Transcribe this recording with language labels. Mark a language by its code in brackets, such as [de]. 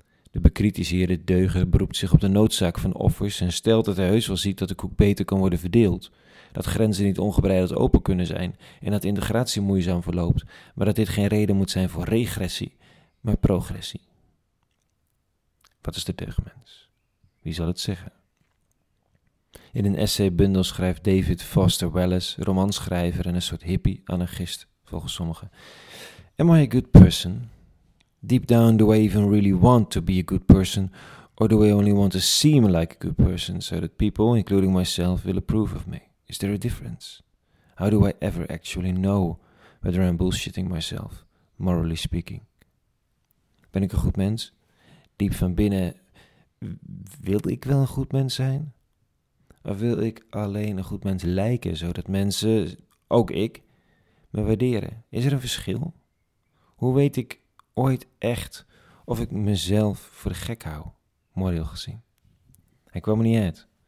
[nl] De bekritiseerde deuger beroept zich op de noodzaak van offers en stelt dat hij heus wel ziet dat de koek beter kan worden verdeeld, dat grenzen niet ongebreideld open kunnen zijn en dat integratie moeizaam verloopt, maar dat dit geen reden moet zijn voor regressie, maar progressie. Wat is de deugdmens? Wie zal het zeggen? In een essaybundel schrijft David Foster Wallace, romanschrijver en een soort hippie, anarchist, volgens sommigen: [en] "Am I a good person? Deep down, do I even really want to be a good person? Or do I only want to seem like a good person so that people, including myself, will approve of me? Is there a difference? How do I ever actually know whether I'm bullshitting myself, morally speaking? [nl] Ben ik een goed mens? Diep van binnen, wil ik wel een goed mens zijn? Of wil ik alleen een goed mens lijken, zodat mensen, ook ik, me waarderen? Is er een verschil? Hoe weet ik ooit echt of ik mezelf voor de gek hou, moreel gezien?" Hij kwam er niet uit.